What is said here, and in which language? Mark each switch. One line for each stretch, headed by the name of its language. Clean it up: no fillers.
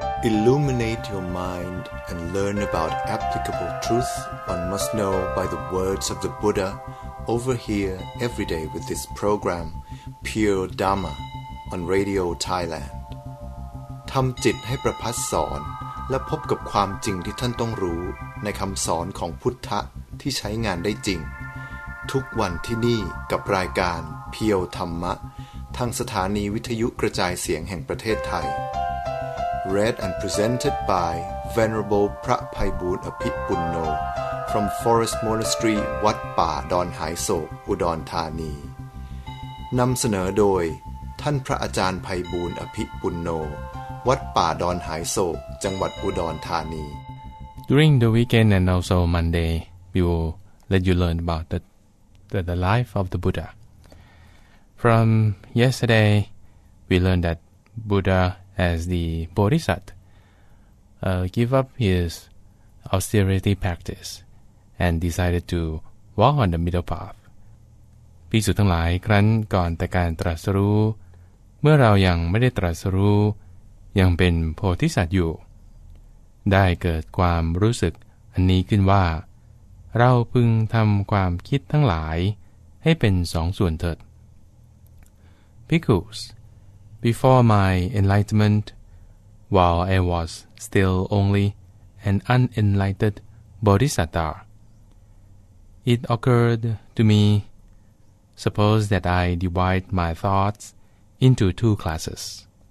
English: Illuminate your mind and learn about applicable truth one must know by the words of the Buddha over here every day with this program, Pure Dharma, on Radio Thailand.
Thai: ทำจิตให้ประพัสสอนและพบกับความจริงที่ท่านต้องรู้ในคำสอนของพุทธะที่ใช้งานได้จริงทุกวันที่นี่กับรายการเพียวธรรมะทางสถานีวิทยุกระจายเสียงแห่งประเทศไทย
English: Read and presented by Venerable พระไพบูลย์อภิปุณโญ from Forest Monastery
Thai: วัดป่าดอนหายโศกอุดรธานีนำเสนอโดยท่านพระอาจารย์ไพบูลย์อภิปุณโญวัดป่าดอนหายโศกจังหวัดอุดรธานี
English: During the weekend and also Monday we will let you learn about the life of the Buddha. From yesterday, we learned that Buddha, as the Bodhisattva, gave up his austerity practice and decided to walk on the middle path.
Thai: ภิกษุทั้งหลายครั้นก่อนแต่การตรัสรู้เมื่อเรายังไม่ได้ตรัสรู้ยังเป็นโพธิสัตว์อยู่ ได้เกิดความรู้สึกอันนี้ขึ้นว่าเราพึงทำความคิดทั้งหลายให้เป็นสองส่วนเถิด
English: Bhikkhus, before my enlightenment, while I was still only an unenlightened bodhisattva, it occurred to me, suppose that I divide my thoughts into two classes.